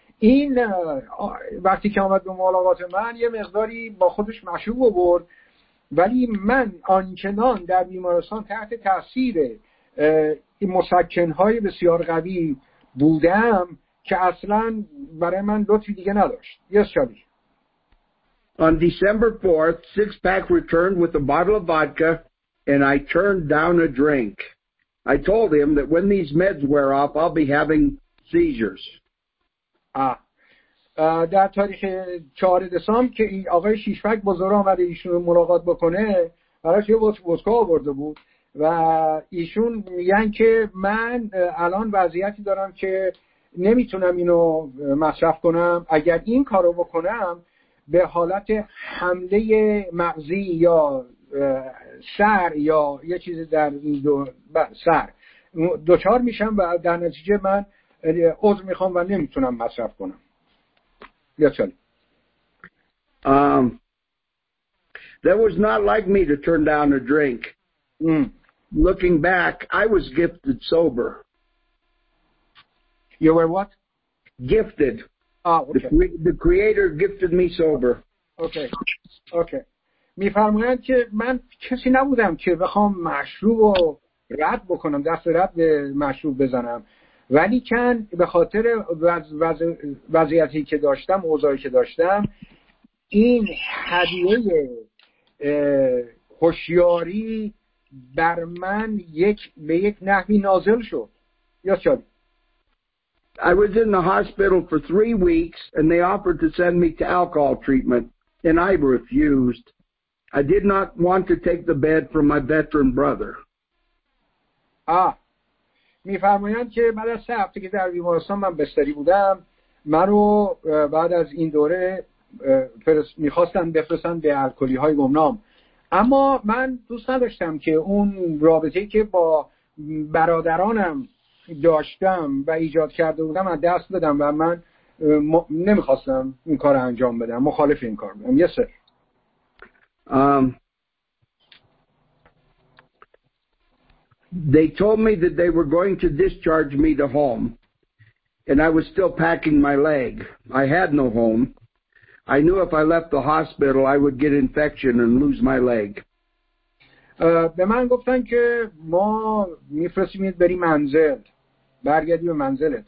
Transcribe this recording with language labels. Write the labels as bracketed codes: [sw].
[fa] این وقتی که آمد به ملاقات من یه مقداری با خودش مشروب برد، ولی من آنچنان در بیمارستان تحت تأثیر مسکن‌های بسیار قوی بودم که اصلاً برای من لطفی دیگه نداشت. [en] Yes, Charlie. On December 4th, Six Pack returned with a bottle of vodka and I turned down a drink. I told him that when these meds wear off, I'll be having seizures. [fa] در تاریخ 4 دسامبر که آقای شیش پک بزرگ آمده ایشون رو ملاقات بکنه، براش یه وسکا آورده بود و ایشون میگن که من الان وضعیتی دارم که نمیتونم اینو مصرف کنم، اگر این کارو بکنم به حالت حمله مغزی یا سر یا یه چیز در این دو سر دوچار میشم و در نتیجه من عذر میخوام و نمیتونم مصرف کنم. [en] That was not like me to turn down a drink. Looking back, I was gifted sober. You were what? Gifted. Okay. The creator gifted me sober. Okay. Okay. [fa] می فرمایند که من کسی نبودم که بخوام مشروب رو رد بکنم، دست رد به مشروب بزنم، ولی کن به خاطر وضعیتی که داشتم، اوضاعی که داشتم، این هدیه هوشیاری بر من به یک نحوی نازل شد. [en] I was in the hospital for 3 weeks and they offered to send me to alcohol treatment and I refused. I did not want to take the bed from my veteran brother. [fa] می فرمایند که بعد از 3 هفته که در بیمارستان من بستری بودم، من رو بعد از این دوره میخواستن بفرستن به الکلی های گمنام، اما من دوست نداشتم که اون رابطه‌ای که با برادرانم داشتم و ایجاد کرده بودم از دست بدم و من نمیخواستم این کار رو انجام بدم، مخالف این کار بودم. یه سر [en] They told me that they were going to discharge me to home, and I was still packing my leg. I had no home. I knew if I left the hospital, I would get infection and lose my leg. [fa] به من گفتن که ما میفرستیمت بری منزل، برگردی به منزلت.